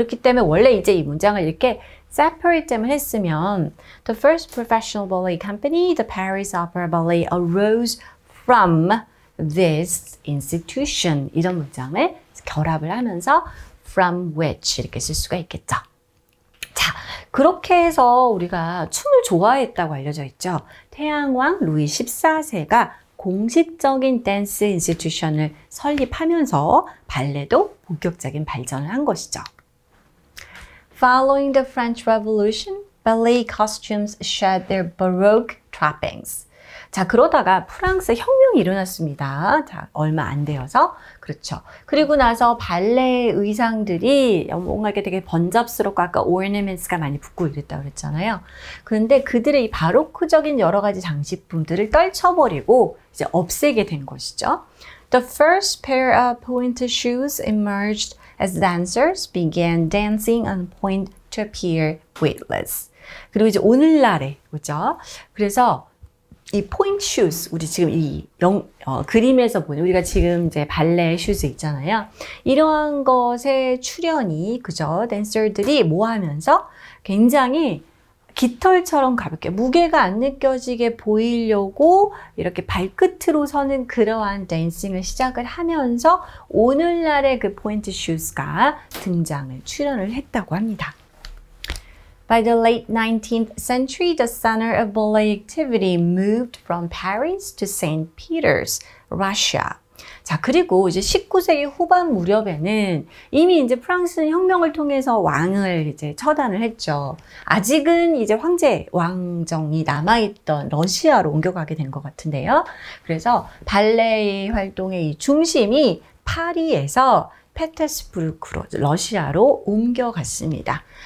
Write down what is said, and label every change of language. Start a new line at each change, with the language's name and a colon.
Korean: 그렇기 때문에 원래 이제 이 문장을 이렇게 separate 했으면,
English: the first professional ballet company, the Paris Opera Ballet arose from this institution
Korean: 이런 문장을 결합을 하면서
English: from which
Korean: 이렇게 쓸 수가 있겠죠. 자, 그렇게 해서 우리가 춤을 좋아했다고 알려져 있죠. 태양왕 루이 14세가 공식적인 댄스 인스티튜션을 설립하면서 발레도 본격적인 발전을 한 것이죠.
English: Following the French Revolution, ballet costumes shed their baroque trappings.
Korean: 자, 그러다가 프랑스 혁명이 일어났습니다. 자, 얼마 안 되어서. 그렇죠. 그리고 나서 발레 의상들이 뭔가 이렇게 되게 번잡스럽고 아까 오르네멘츠가 많이 붙고 이랬다고 그랬잖아요. 그런데 그들의 이 바로크적인 여러 가지 장식품들을 떨쳐버리고 이제 없애게 된 것이죠.
English: The first pair of pointed shoes emerged as dancers began dancing on point to appear weightless.
Korean: 그리고 이제 오늘날에, 그렇죠? 그래서 이 포인트 슈즈, 우리 지금 이 그림에서 보는 우리가 지금 이제 발레 슈즈 있잖아요. 이러한 것의 출현이, 그죠? 댄서들이 뭐 하면서 굉장히 깃털처럼 가볍게 무게가 안 느껴지게 보이려고 이렇게 발끝으로 서는 그러한 댄싱을 시작을 하면서 오늘날의 그 포인트 슈즈가 등장을 출현을 했다고 합니다.
English: By the late 19th century, the center of ballet activity moved from Paris to St. Peter's, Russia.
Korean: 자, 그리고 이제 19세기 후반 무렵에는 이미 이제 프랑스는 혁명을 통해서 왕을 이제 처단을 했죠. 아직은 이제 황제, 왕정이 남아있던 러시아로 옮겨가게 된것 같은데요. 그래서 발레 활동의 이 중심이 파리에서 페테르부르크로 러시아로 옮겨갔습니다.